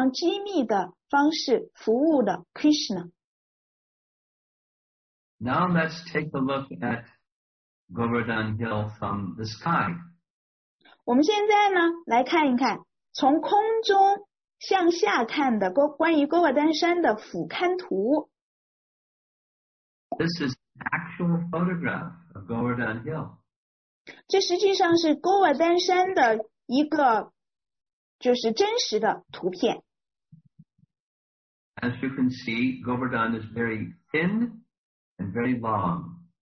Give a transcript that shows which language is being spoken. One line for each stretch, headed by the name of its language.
Chinese: Govardhan山以非常非常机密的方式服务了Krishna.
English: Now let's take a look at Govardhan Hill from the sky.
Chinese: 我们现在呢，来看一看从空中向下看的关于Govardhan山的俯瞰图。
English: This is an actual photograph of Govardhan Hill.
Chinese: 这实际上是Govardhan山的一个就是真实的图片。
English: As you can see, Govardhan is very thin and very long.